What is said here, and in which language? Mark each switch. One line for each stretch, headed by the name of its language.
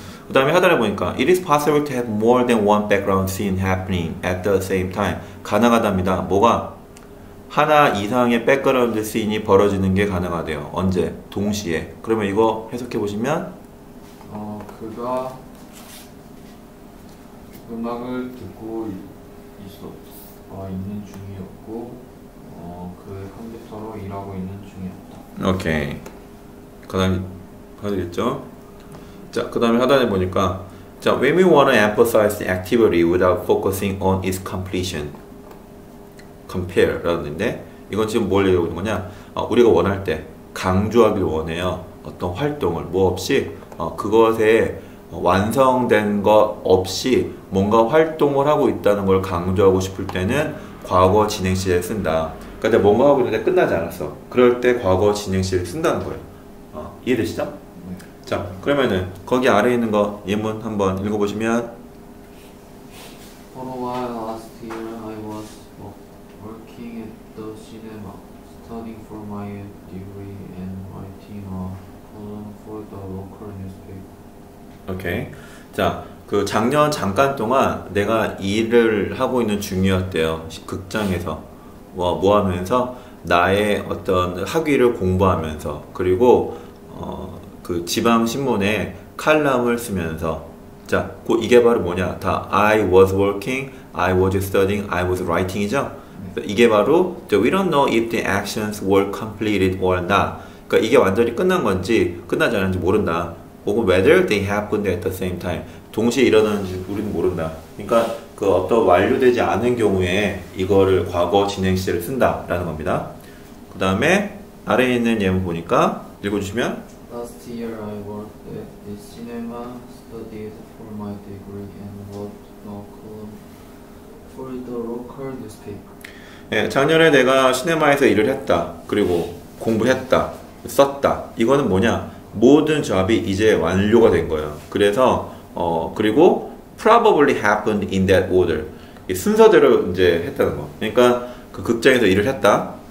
Korean: 그다음에 하단에 보니까
English: it is possible to have more than one background scene happening at the same time.
Korean: 가능하답니다. 뭐가 하나 이상의 백그라운드 씬이 벌어지는 게 가능하대요. 언제? 동시에. 그러면 이거 해석해 보시면 그가 음악을 듣고 있는 중이었고 그 컴퓨터로 일하고 있는 중이었다. 오케이. 그다음 봐야겠죠? 자, 그다음에 하단에 보니까 자,
English: when we want to emphasize the activity without focusing on its completion.
Korean: compare 라는데 이건 지금 뭘 얘기하고 있는 거냐? 우리가 원할 때 강조하길 원해요. 어떤 활동을 뭐 없이 그것에 완성된 것 없이 뭔가 활동을 하고 있다는 걸 강조하고 싶을 때는 과거 진행시제를 쓴다. 근데 뭔가 하고 있는데 끝나지 않았어. 그럴 때 과거 진행시제를 쓴다는 거예요. 이해되시죠? 자, 그러면은 거기 아래에 있는 거 예문 한번 읽어보시면
English: For a while last year I was working at the cinema studying for my degree and writing a column for the local newspaper.
Korean: 오케이. 자, 그 작년 잠깐 동안 내가 일을 하고 있는 중이었대요. 극장에서 뭐 하면서 나의 어떤 학위를 공부하면서 그리고 그 지방신문에 칼럼을 쓰면서 자, 이게 바로 뭐냐? 다
English: I was working, I was studying, I was writing
Korean: 이죠? 네. 이게 바로
English: We don't know if the actions were completed or not.
Korean: 그러니까 이게 완전히 끝난 건지 끝나지 않았는지 모른다. 혹은
English: whether they happened at the same time.
Korean: 동시에 일어나는지 우리는 모른다. 그러니까 그 어떤 완료되지 않은 경우에 이거를 과거 진행시제를 쓴다라는 겁니다. 그 다음에 아래에 있는 예문 보니까 읽어주시면
English: Last year I worked at the cinema, studied for my degree, and wrote a column for the local newspaper.
Korean: 예, 작년에 내가 시네마에서 일을 했다. 그리고 공부했다. 썼다. 이거는 뭐냐? 모든 job이 이제 완료가 된 거예요. 그래서, 그리고
English: probably happened in that order.
Korean: 순서대로 이제 했다는 거. 그러니까 그 극장에서 일을 했다.